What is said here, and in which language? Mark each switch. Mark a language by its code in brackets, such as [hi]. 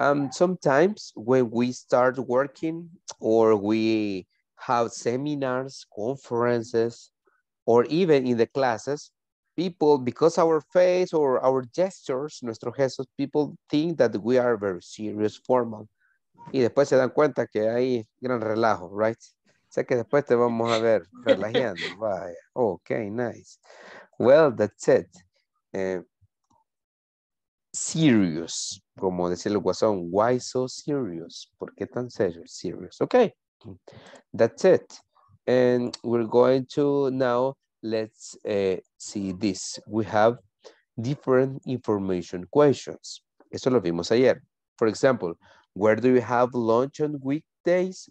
[en] Sometimes when we start working or we have seminars, conferences, or even in the classes, people, because our face or our gestures, [es] nuestros gestos, [en] people think that we are very serious, formal. [es] Y después se dan cuenta que hay gran relajo, right? Sé que después te vamos a ver relajando. Vaya. [en] Okay, nice. Well, that's it. Serious, [es] como decía el guasón, [en] why so serious? [es] ¿Por qué tan serio? [en] Serious, okay. That's it. And we're going to now, let's see this. We have different information questions. [es] Eso lo vimos ayer. [en] For example, where do you have lunch on weekdays?